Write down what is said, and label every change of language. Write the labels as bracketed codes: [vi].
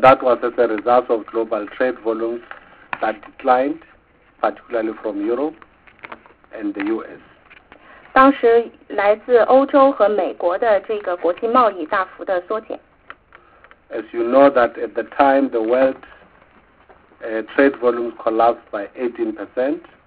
[en] that was as a result of global trade volumes that declined, particularly from Europe and the U.S. [zh] 当时来自欧洲和美国的这个国际贸易大幅的缩减。 [en] As you know that at the time the world trade volumes collapsed by 18%.